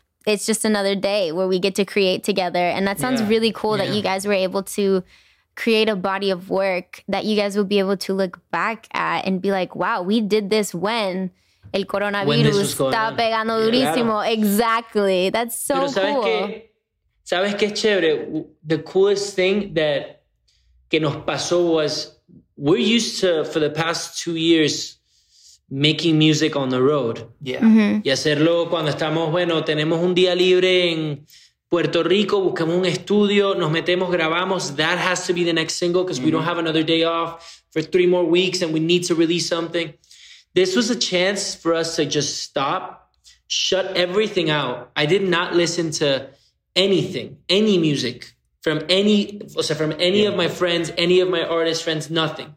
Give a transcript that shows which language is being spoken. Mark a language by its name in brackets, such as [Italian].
[English] It's just another day where we get to create together. And that sounds really cool that you guys were able to create a body of work that you guys will be able to look back at and be like, wow, we did this when [Spanish] el coronavirus está pegando durísimo. [English] Yeah. Exactly. That's so cool. [Spanish] Sabes que chévere? [English] The coolest thing that [Spanish] que nos pasó [English] was we're used to, for the past 2 years, making music on the road. Yeah. Mm-hmm. [Spanish] Y hacerlo cuando estamos, bueno, tenemos un día libre en Puerto Rico, buscamos un estudio, nos metemos, grabamos. [English] That has to be the next single because we don't have another day off for 3 more weeks and we need to release something. This was a chance for us to just stop, shut everything out. I did not listen to anything, any music from any of my friends, any of my artist friends, nothing.